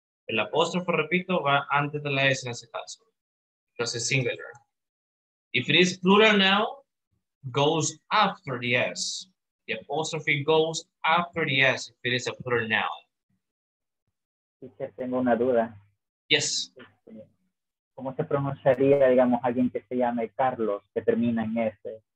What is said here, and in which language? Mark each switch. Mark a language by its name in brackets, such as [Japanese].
[Spanish] El apóstrofo, repito, va antes de la S en ese caso. [English] Because it's singular. If it is plural now, goes after the S. The apostrophe goes after the S if it is a plural noun. [Spanish] Tengo una duda. [English] Yes. [Spanish] ¿Cómo se pronunciaría, digamos, alguien que se llame Carlos, que termina en S?